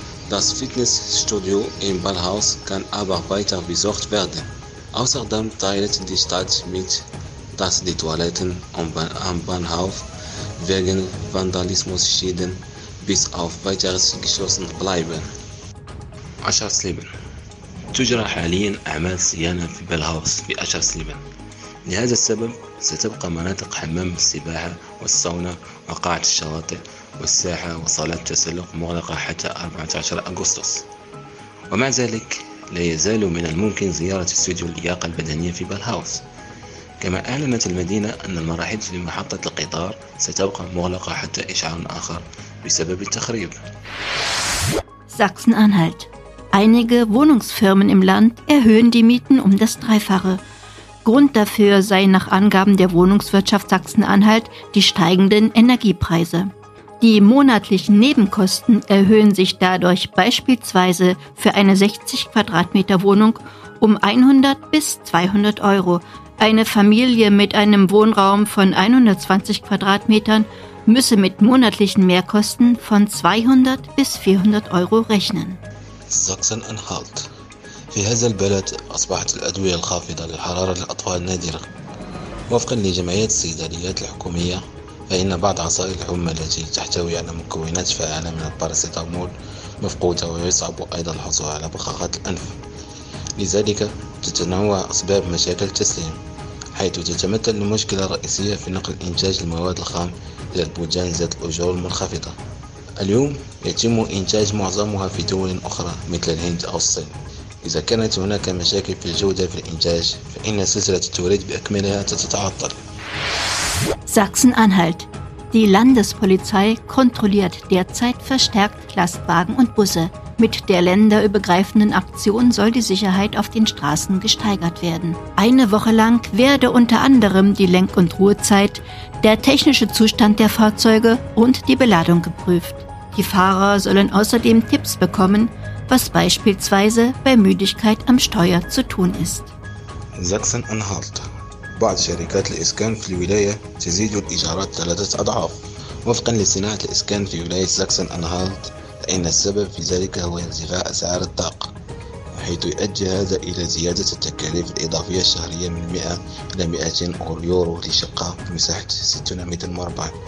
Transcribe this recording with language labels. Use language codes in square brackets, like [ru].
[de] Das Fitnessstudio im Ballhaus kann aber weiter besucht werden. Außerdem teilt die Stadt mit, dass die Toiletten am Bahnhof wegen Vandalismusschäden bis auf weiteres geschlossen bleiben. Aschersleben. [ar] تجرى حاليا أعمال صيانة في بلهاوس في أشهرسليبن. لهذا السبب ستبقى مناطق حمام السباحة والساونا وقاعة الشواطئ والساحة وصالات التسلق مغلقة حتى 14 أغسطس. ومع ذلك لا يزال من الممكن زيارة استوديو اللياقة البدنية في بلهاوس. كما أعلنت المدينة أن المراحيض في محطة القطار ستبقى مغلقة حتى إشعار آخر بسبب التخريب. ساكسن أنهالت. [de] Einige Wohnungsfirmen im Land erhöhen die Mieten um das Dreifache. Grund dafür seien nach Angaben der Wohnungswirtschaft Sachsen-Anhalt die steigenden Energiepreise. Die monatlichen Nebenkosten erhöhen sich dadurch beispielsweise für eine 60 Quadratmeter Wohnung um 100 bis 200 Euro. Eine Familie mit einem Wohnraum von 120 Quadratmetern müsse mit monatlichen Mehrkosten von 200 bis 400 Euro rechnen. Sachsen-Anhalt. [ar] في هذا البلد أصبحت الأدوية الخافضة للحرارة للأطفال نادرة. وفقا لجمعيات الصيدليات الحكومية، فإن بعض عصائر الحمى التي تحتوي على مكونات فعالة من الباراسيتامول مفقودة، ويصعب أيضا الحصول على بخاخات الأنف. لذلك تتنوع أسباب مشاكل التسليم، حيث تتمثل المشكلة الرئيسية في نقل إنتاج المواد الخام إلى البلدان ذات الأجور المنخفضة. اليوم يتم إنتاج معظمها في دول أخرى مثل الهند أو الصين. إذا كانت هناك مشاكل في الجودة في الإنتاج، فإن سلسلة التوريد بأكملها ستتعطل. [de] Sachsen-Anhalt. Die Landespolizei kontrolliert derzeit verstärkt Lastwagen und Busse. Mit der länderübergreifenden Aktion soll die Sicherheit auf den Straßen gesteigert werden. Eine Woche lang werde unter anderem die Lenk- und Ruhezeit, der technische Zustand der Fahrzeuge und die Beladung geprüft. Die Fahrer sollen außerdem Tipps bekommen, was beispielsweise bei Müdigkeit am Steuer zu tun ist. Sachsen-Anhalt. [ar] بعض شركات الإسكان في الولاية تزيد الإيجارات 3 أضعاف. وفقا لصناعة الإسكان في ولاية ساكسن أنهالت، فإن السبب في ذلك هو ارتفاع أسعار الطاقة، حيث يؤدي هذا إلى زيادة التكاليف الإضافية الشهرية من 100 إلى 200 يورو لشقة بمساحة 60 متر مربع.